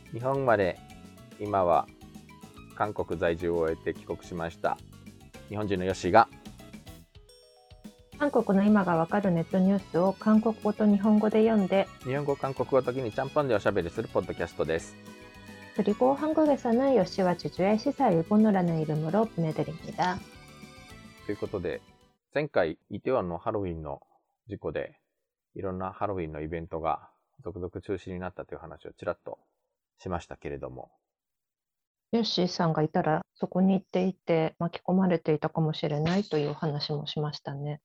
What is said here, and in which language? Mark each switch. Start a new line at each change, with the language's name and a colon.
Japanese: 日本生まれ今は韓国在住を終えて帰国しました日本人のヨシが、韓国の今がわかるネットニュースを韓国語と日本語で読んで、日本語韓国語ときにちゃんぽんでおしゃべりするポッドキャストです。
Korean: 그리고한국에서는요시와주주의시사일본어라는이름으로보내드립니다。
Japanese: ということで、前回イテウォンのハロウィンの事故でいろんなハロウィンのイベントが続々中止になったという話をちらっとしましたけれども、ヨッシーさんがいたらそこに行っていて巻き込まれていたかもしれないという話もしましたね。